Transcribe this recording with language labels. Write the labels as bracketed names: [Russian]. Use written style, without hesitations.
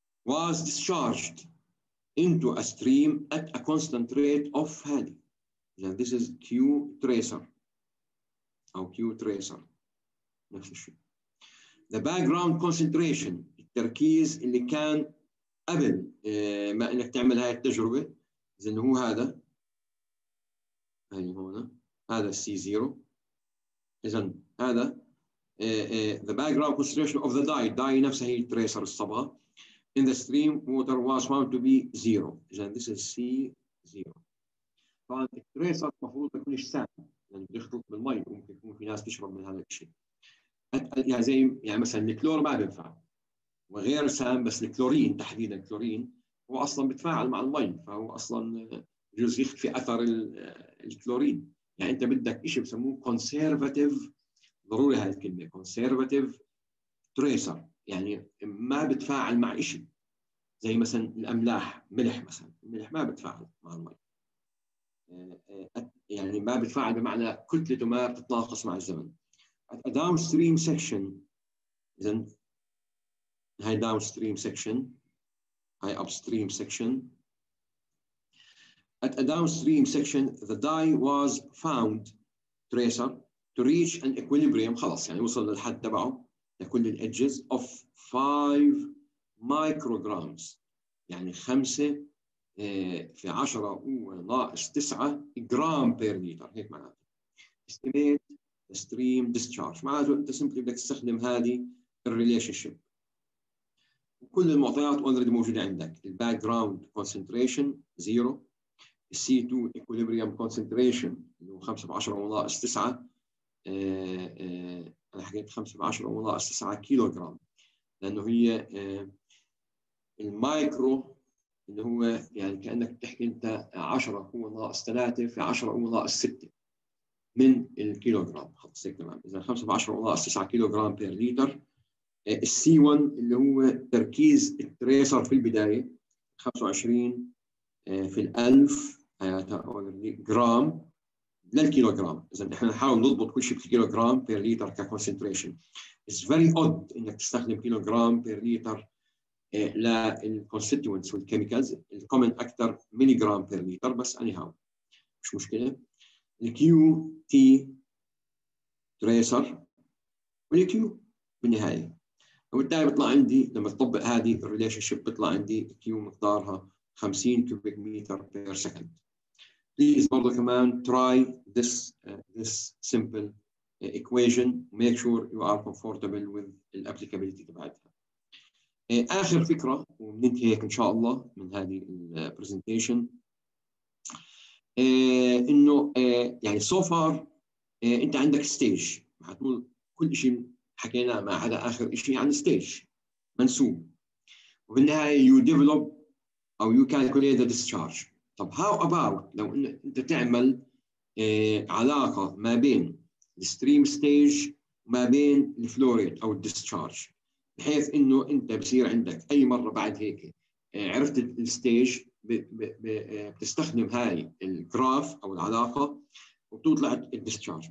[English] was discharged into a stream at a constant rate of [Arabic] هذه [English] this is Q tracer [Arabic] أو Q tracer نفس الشيء the background concentration التركيز اللي كان قبل ما انك تعمل هاي التجربة إذن هو هذا هاي هنا هذا C0 إذن هذا [English] the background concentration of the dye [Arabic] نفسها هي التريسر الصبغة [English] in the stream water was found to be zero. Then this is C0. [Arabic] طبعاً التريسات مفروض تكونش سام لأن بيخلط بالماء وممكن يكون في ناس تشرب من هذا الشيء. يعني زي يعني مثلاً الكلور ما بينفع وغير سام بس الكلورين تحديداً الكلورين هو أصلاً بتفاعل مع الماء فهو أصلاً جزء يخفي أثر الكلورين. يعني أنت بدك إشي بسموه conservative ضروري هذه الكلمة conservative تريسر يعني ما بتفاعل مع إشي زي مثلاً الأملاح ملح مثلاً الملح ما بتفاعل مع الماء يعني ما بتفاعل بمعنى كتلته ما بتتناقص مع الزمن. downstream section إذن هاي downstream section هاي upstream section. [English] At a downstream section, the dye was found, tracer, to reach an equilibrium, [Arabic] خلاص يعني وصل للحد تبعه, [English] لكل الـ edges, of 5 micrograms, [Arabic] يعني 5 في 10 وناقص 9 [English] gram per liter, [Arabic] هيك معناته. [English] Estimate the stream discharge, [Arabic] معناته أنت [English] simply [Arabic] بدك تستخدم هذه الـ [English] relationship. [Arabic] كل المعطيات already موجودة عندك, الـ background concentration, zero. C2 equilibrium concentration اللي هو 5 بعشرة وناقص 9 أنا حكيت 5 بعشرة وناقص 9 كيلوغرام لأنه هي المايكرو اللي هو يعني كأنك تحكي أنت 10 هو ناقص 3 في 10 هو ناقص 6 من الكيلوغرام خلص هيك تمام. إذا 5 بعشرة وناقص 9 كيلوغرام بير لتر C1 اللي هو تركيز التريسر في البداية 25 في الألف جرام للكيلوغرام. إذا نحن نحاول نضبط كل شيء بالكيلوغرام per liter كconcentration. [English] It's very odd [Arabic] إنك تستخدم كيلوغرام per liter للconstituents والchemicals. الكومن أكثر ميليغرام per liter بس anyhow مش مشكلة. الQT تريسر والQ بالنهاية. وبالتالي بطلع عندي لما تطبق هذه الريليشنشيب بطلع عندي Q مقدارها 50 كوبيك متر بير سكند. [English] Please [Arabic] برضو كمان [English] try this this simple equation. Make sure you are comfortable with the applicability تبعتها. [Arabic] آخر فكرة وننتهي هيك إن شاء الله من هذه البرزنتيشن. إنه يعني [English] so far [Arabic] أنت عندك stage. هتقول كل إشي حكينا مع هذا آخر إشي عن stage منسوب. [English] وبالنهاية you develop أو you calculate the discharge. [Arabic] طب [English] how about [Arabic] لو أنت تعمل علاقة ما بين [English] the stream stage [Arabic] ما بين [English] the flow rate [Arabic] أو the discharge بحيث أنه أنت بصير عندك أي مرة بعد هيك عرفت the stage بتستخدم هاي الجراف أو العلاقة وبتطلع the discharge.